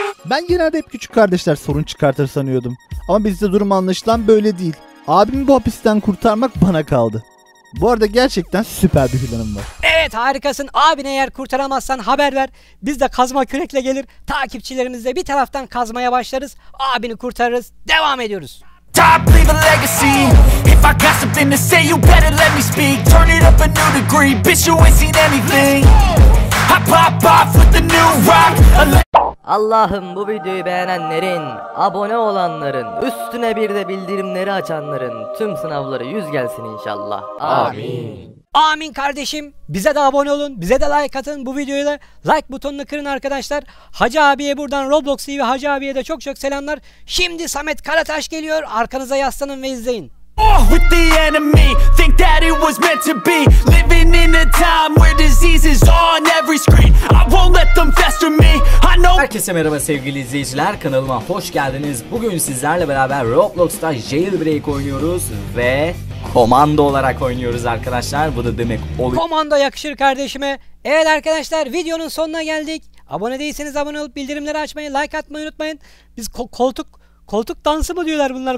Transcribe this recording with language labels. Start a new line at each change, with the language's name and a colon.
Turkish: Ben genelde hep küçük kardeşler sorun çıkartır sanıyordum. Ama bizde durum anlaşılan böyle değil. Abimi bu hapisten kurtarmak bana kaldı. Bu arada gerçekten süper bir planım var. Evet harikasın. Abini eğer kurtaramazsan haber ver. Biz de kazma kürekle gelir. Takipçilerimizle bir taraftan kazmaya başlarız. Abini kurtarırız. Devam ediyoruz. Top,
English: leave a legacy. If I got something to say, you better let me speak. Turn it up a new degree. Bitch, you ain't seen anything.
Turkish: Allah'ım, bu videoyu beğenenlerin, abone olanların, üstüne bir de bildirimleri açanların tüm sınavları yüz gelsin inşallah. Amin. Amin kardeşim. Bize de abone olun, bize de like atın. Bu videoyu da like butonunu kırın arkadaşlar. Hacı abiye buradan, Roblox TV Hacı abiye de çok çok selamlar. Şimdi Samet Karataş geliyor. Arkanıza yaslanın ve izleyin.
English: Oh, with the enemy, think that it was meant to be. Living in a time where disease is on every screen. I won't let them fester me. I know.
Turkish: Herkese merhaba sevgili izleyiciler, kanalıma hoş geldiniz. Bugün sizlerle beraber Roblox'ta Jailbreak oynuyoruz ve komando olarak oynuyoruz arkadaşlar. Bu da demek oluyor. Komando yakışır kardeşime. Evet arkadaşlar, videonun sonuna geldik. Abone değilseniz abone olup bildirimleri açmayı, like atmayı unutmayın. Biz koltuk dansı mı diyorlar bunlar?